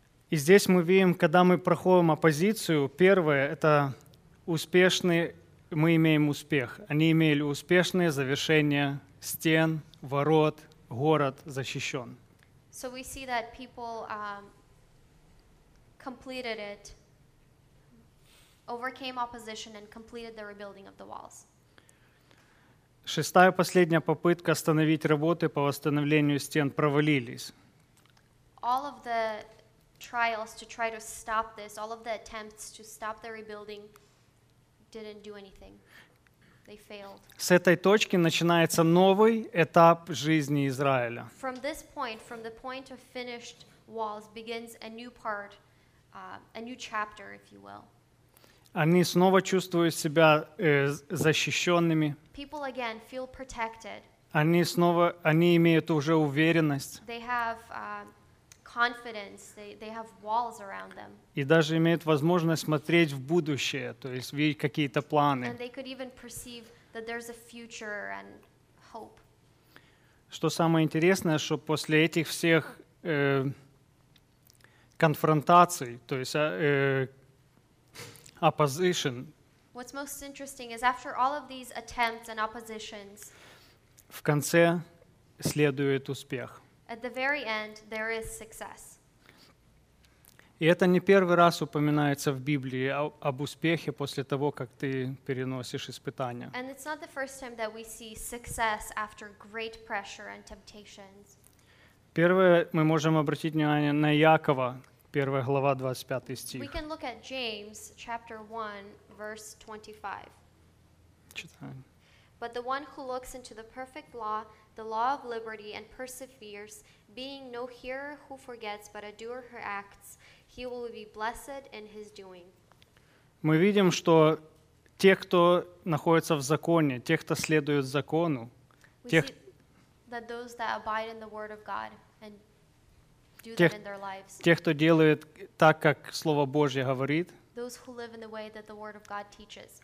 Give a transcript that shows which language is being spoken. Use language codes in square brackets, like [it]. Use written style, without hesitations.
[ru] И здесь мы видим, когда мы проходим оппозицию, первое – это успешный, мы имеем успех. Они имели успешное завершение стен, ворот, город защищен. [en] So we see that people completed it, overcame opposition, and completed the rebuilding of the walls. [ru] Шестая последняя попытка остановить работы по восстановлению стен провалились. [en] All of the trials to try to stop this, all of the attempts to stop the rebuilding didn't do anything. They failed. [ru] С этой точки начинается новый этап жизни Израиля. [en] From this point, from the point of finished walls, begins a new part, a new chapter, if you will. [ru] Они снова чувствуют себя защищенными. [en] People again feel protected. [ru] Они имеют уже уверенность. [en] They have confidence. They have walls around them. [ru] И даже имеют возможность смотреть в будущее, то есть видеть какие-то планы. [en] And they could even perceive that there's a future and hope. [ru] Что самое интересное, что после этих всех конфронтаций, то есть opposition. [en] What's most interesting is after all of these attempts and oppositions, [ru] в конце следует успех. [en] At the very end, there is success. [ru] И это не первый раз упоминается в Библии об успехе после того, как ты переносишь испытания. [en] And it's not the first time that we see success after great pressure and temptations. [ru] Первое, мы можем обратить внимание на Якова, 1 глава, 25 стих. [en] We can look at James, chapter 1, verse 25. [ru] Читаем. [en] But the one who looks into the perfect law, the law of liberty, and perseveres, being no hearer who forgets, but a doer who acts, he will be blessed in his doing. [ru] Мы видим, что те, кто находится в законе, те, кто следует закону, [en] that those that abide in the word of God and do [ru] тех, [en] that in their lives. [ru] Те, кто делает так, как Слово Божье говорит. [en] Those who live in the way that the word of God teaches.